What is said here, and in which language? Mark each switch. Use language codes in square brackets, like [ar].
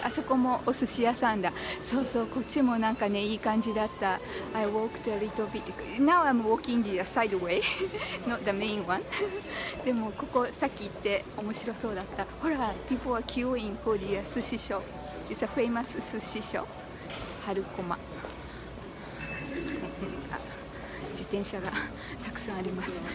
[ja] あそこもお寿司屋さんだ。そうそう、こっちもなんかね、いい感じだった。 [en] I walked a little bit. Now I'm walking the side way, not the main one. [ja] でもここさっき言って面白そうだった。 [en] ほら、people are queuing for the sushi shop. It's a famous sushi shop. 春駒。 [ja] 自転車がたくさんあります。